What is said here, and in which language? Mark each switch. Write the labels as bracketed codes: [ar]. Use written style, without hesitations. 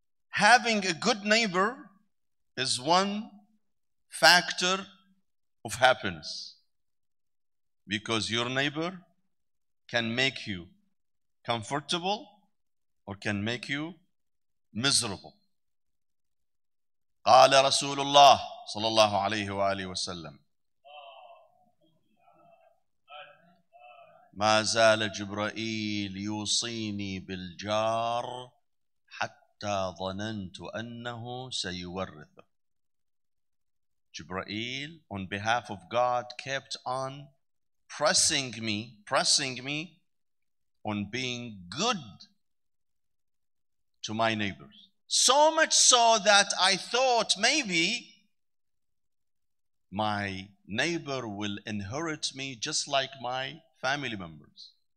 [en] Having a good neighbor is one factor of happiness, because your neighbor can make you comfortable or can make you miserable. [ar] قال رسول الله صلى الله عليه وآله وسلم ما زال جبرائيل يوصيني بالجار حتى ظننت أنه سيورث. [en] Jibreel, on behalf of God, kept on pressing me on being good to my neighbors. So much so that I thought maybe my neighbor will inherit me just like my family members.